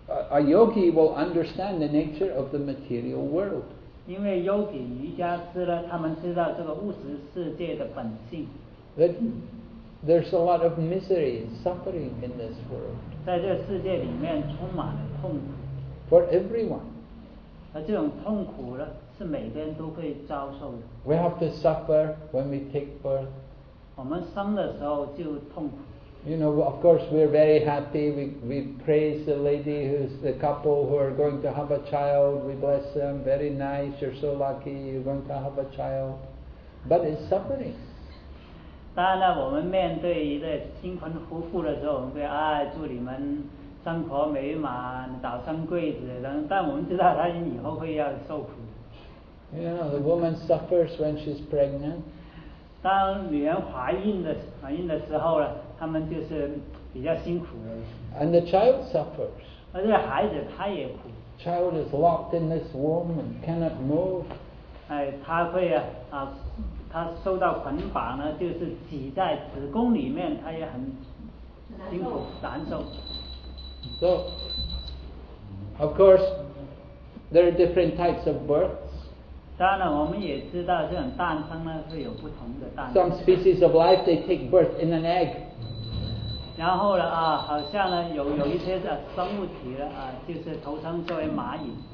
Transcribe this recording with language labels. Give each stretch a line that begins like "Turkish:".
English: A yogi will understand the nature of the material world.
Chinese: 因为 yogi 瑜伽师呢，他们知道这个物质世界的本性。
English: That there's a lot of misery and suffering in this world.
Chinese: 在这个世界里面充满了痛苦。
English: For everyone.
Chinese: 而这种痛苦呢，是每个人都会遭受的。
English: We have to suffer when we take birth.
Chinese: 我们生的时候就痛苦。
English: You know, of course, we're very happy. We praise the lady who's the couple who are going to have a child. We bless them. Very nice. You're so lucky. You're going to have a child. But it's suffering.
Chinese: 当然了，我们面对一对新婚夫妇的时候，我们会祝你们生活美满，早生贵子。但我们知道，她以后会要受苦。
English: You know, the woman suffers when she's pregnant.
Chinese: 当女人怀孕的时候呢？他们就是比较辛苦的。
English: And the child suffers.
Chinese: 而这个孩子他也苦。
English: Child is locked in this womb and cannot move.
Chinese: 他会他受到捆绑呢，就是挤在子宫里面，他也很辛苦难受。
English: So, of course, there are different types of births.
Chinese: 当然，我们也知道这种诞生呢是有不同的诞生。
English: Some species of life they take birth in an egg.
Chinese: 然后呢好像呢有一些的生物体呢就是投生作为蚂蚁。